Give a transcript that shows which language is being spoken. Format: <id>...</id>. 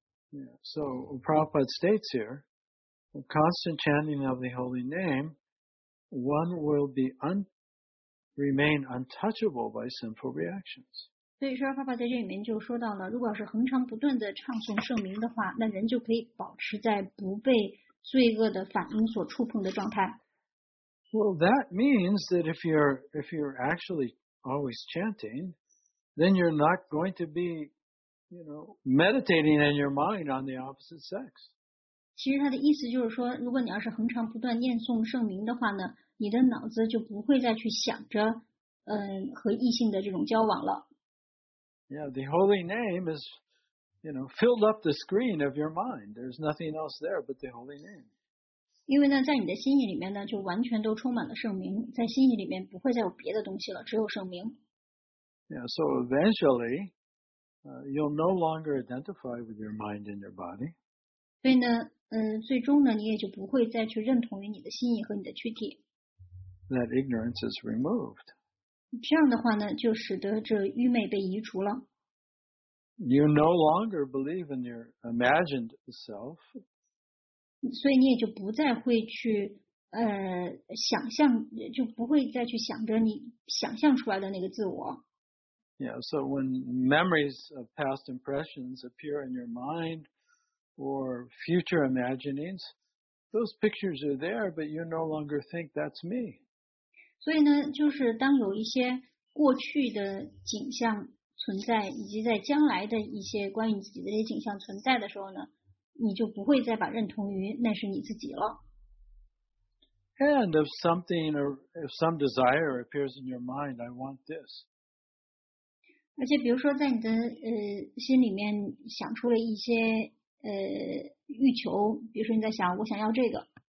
<en>Yeah, so Prabhupada states here, the constant chanting of the holy name, one will be remain untouchable by sinful reactions.</en> <zh>所以说，爸爸在这里面就说到了，如果是恒常不断的唱诵圣名的话，那人就可以保持在不被罪恶的反应所触碰的状态。</zh> <en>Well, that means that if you're actually always chanting, then you're not going to be, you know, meditating in your mind on the opposite sex.</en> <zh>其实他的意思就是说，如果你要是恒常不断念诵圣名的话呢，你的脑子就不会再去想着，和异性的这种交往了。</zh> <en>Yeah, the holy name is, you know, filled up the screen of your mind. There's nothing else there but the holy name.</en> <zh>因为呢，在你的心意里面呢，就完全都充满了圣名，在心意里面不会再有别的东西了，只有圣名。</zh> <en>Yeah, so eventually, you'll no longer identify with your mind and your body.</en> <zh>所以呢，最终呢，你也就不会再去认同于你的心意和你的躯体。</zh> <en>That ignorance is removed.</en> <zh>这样的话呢，就使得这愚昧被移除了。</zh> <en>You no longer believe in your imagined self.</en> <zh>所以你也就不再会去想象，就不会再去想着你想象出来的那个自我。</zh> <en>Yeah, so when memories of past impressions appear in your mind or future imaginings, those pictures are there, but you no longer think that's me.</en> <zh>所以呢，就是当有一些过去的景象存在，以及在将来的一些关于你自己的这些景象存在的时候呢，你就不会再把认同于那是你自己了。</zh> <en>And if something or if some desire appears in your mind, I want this.</en> <zh>而且比如说在你的心里面想出了一些欲求，比如说你在想我想要这个。</zh>